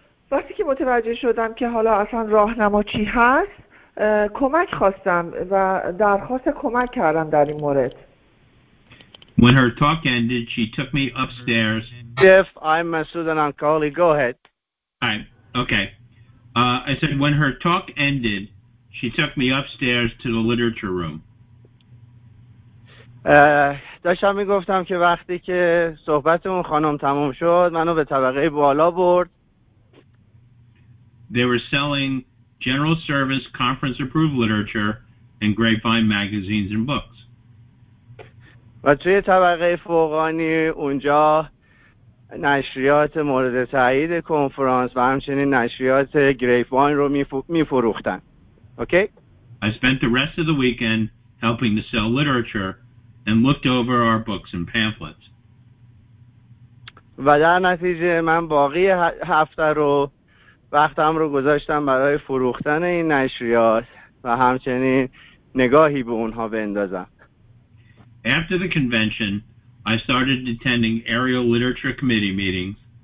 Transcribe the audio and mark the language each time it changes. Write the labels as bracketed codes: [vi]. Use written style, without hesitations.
[fa] وقتی که متوجه شدم که حالا اصلا راهنما چی هست کمک خواستم و درخواست کمک کردم در این مورد. [en] When her talk ended, she took me upstairs. Jeff, I'm Masood and I'm Kali. Go ahead. Okay. I said when her talk ended, she took me upstairs to the literature room. [fa] داشتم میگفتم که وقتی که صحبتمون خانم تموم شد منو به طبقه بالا برد. [en] They were selling general service conference approved literature and Grapevine magazines and books. [fa] و توی طبقه فوقانی اونجا نشریات مورد تایید کنفرانس و همچنین نشریات Grapevine رو میفروختن. [en] Okay? I spent the rest of the weekend helping to sell literature and looked over our books and pamphlets. [fa] و در نتیجه من باقی هفته رو وقتم رو گذاشتم برای فروختن این نشریات و همچنین نگاهی به اونها بندازم. [en] After the convention, I started attending area literature committee meetings.